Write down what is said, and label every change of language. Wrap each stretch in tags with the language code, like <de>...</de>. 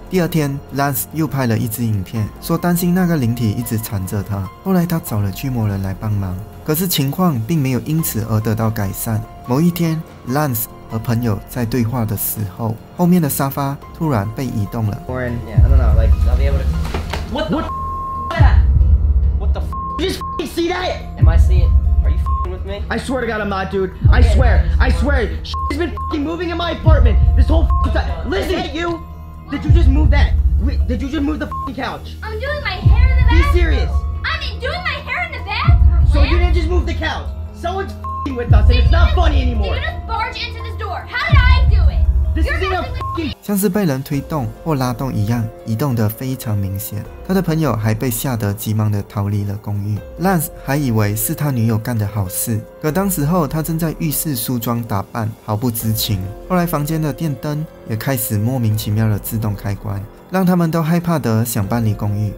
<zh>第二天 Lance 又拍了一支影片，说担心那个灵体一直缠着他。后来他找了驱魔人来帮忙，可是情况并没有因此而得到改善。某一天 Lance和朋友在对话的时候，后面的沙发突然被移动了。</zh> <en>Warren, yeah, I don't know, like, I'll be able to. What the f? You just f- see that? Am I seeing? Are you f-ing with me? I swear to God, I'm not, dude. Okay, I swear. She's been f-ing moving in my apartment this whole f-ing time. Listen, hey, you. Did you just move that? Wait, did you just move the f-ing couch? I'm doing my hair in the bathroom. Be serious. I'm doing my hair in the bathroom. So you didn't just move the couch? Someone's f-ing with us, and it's not funny anymore. Did you just barge into the door? How did I do it?</en> <zh>像是被人推动或拉动一样，移动得非常明显。他的朋友还被吓得急忙地逃离了公寓。Lance 还以为是他女友干的好事，可当时候他正在浴室梳妆打扮，毫不知情。后来房间的电灯也开始莫名其妙地自动开关，让他们都害怕地想搬离公寓。</zh>